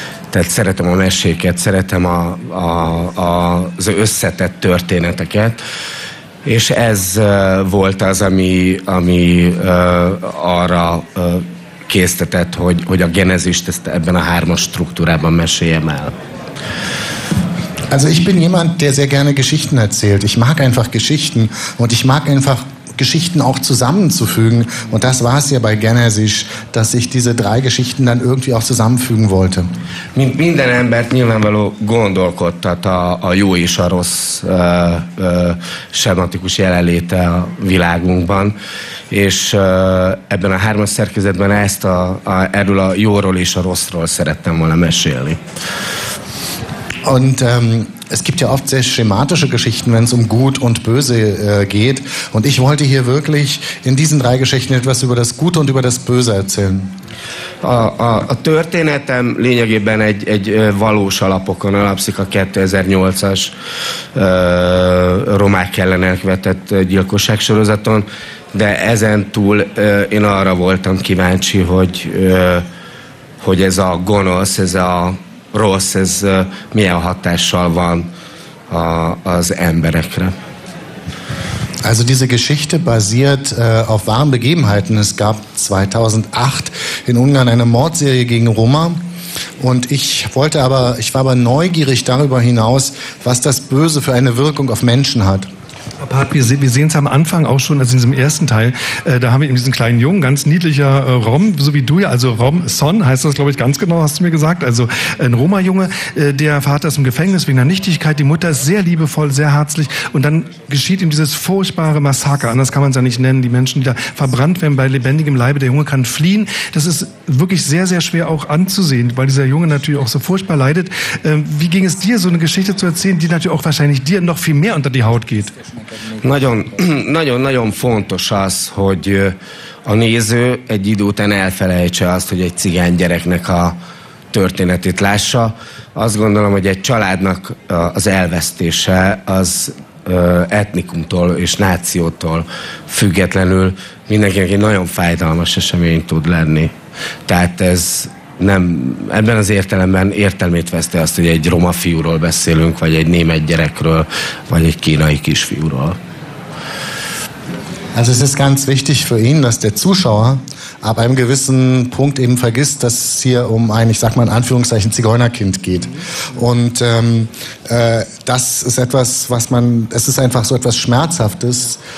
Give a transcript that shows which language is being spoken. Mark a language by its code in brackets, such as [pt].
[hu] Tehát szeretem a meséket, szeretem az összetett történeteket, és ez volt az, ami arra késztetett, hogy a Genezist ezt ebben a hármas struktúrában meséljem el. [de] Also ich bin jemand, der sehr gerne Geschichten erzählt. Ich mag einfach Geschichten und ich mag einfach Geschichten auch zusammenzufügen. Und das war es ja bei Genesis, dass ich diese drei Geschichten dann irgendwie auch zusammenfügen wollte. [hu] Mint minden embert nyilvánvaló gondolkodtat a jó és a rossz schematikus jelenléte a világunkban. És ebben a hármas szerkezetben ezt erről a jóról és a rosszról szerettem volna mesélni. [de] Und es gibt ja oft sehr schematische Geschichten, wenn es um Gut und Böse geht. Und ich wollte hier wirklich in diesen drei Geschichten etwas über das Gute und über das Böse erzählen. [hu] A történetem lényegében egy valós alapokon alapszik, a 2008-as romák ellen elkövetett gyilkosság sorozaton, de ezen túl én arra voltam kíváncsi, hogy ez a gonosz, ez a rossz, ez milyen hatással van az emberekre. [de] Also diese Geschichte basiert auf wahren Begebenheiten. Es gab 2008 in Ungarn eine Mordserie gegen Roma. Und ich war aber neugierig darüber hinaus, was das Böse für eine Wirkung auf Menschen hat. Wir sehen es am Anfang auch schon, also in diesem ersten Teil, da haben wir eben diesen kleinen Jungen, ganz niedlicher Rom, so wie du ja, also Rom-Son heißt das, glaube ich, ganz genau, hast du mir gesagt, also ein Roma-Junge, der Vater ist im Gefängnis wegen der Nichtigkeit, die Mutter ist sehr liebevoll, sehr herzlich, und dann geschieht ihm dieses furchtbare Massaker, anders kann man es ja nicht nennen, die Menschen, die da verbrannt werden bei lebendigem Leibe, der Junge kann fliehen, das ist wirklich sehr, sehr schwer auch anzusehen, weil dieser Junge natürlich auch so furchtbar leidet. Wie ging es dir, so eine Geschichte zu erzählen, die natürlich auch wahrscheinlich dir noch viel mehr unter die Haut geht? [hu] Nagyon-nagyon fontos az, hogy a néző egy idő után elfelejtse azt, hogy egy cigány gyereknek a történetét lássa. Azt gondolom, hogy egy családnak az elvesztése az etnikumtól és nációtól függetlenül mindenkinek egy nagyon fájdalmas esemény tud lenni. Tehát ez nem, ebben az értelemben értelmét veszte azt, hogy egy roma fiúról beszélünk, vagy egy német gyerekről, vagy egy kínai kisfiúról. [de] Also es ist ganz wichtig für ihn, dass der Zuschauer ab einem gewissen Punkt eben vergisst, dass es hier um ein, ich sag mal in Anführungszeichen, Zigeunerkind geht. Und das ist etwas, was man, es ist einfach so etwas Schmerzhaftes.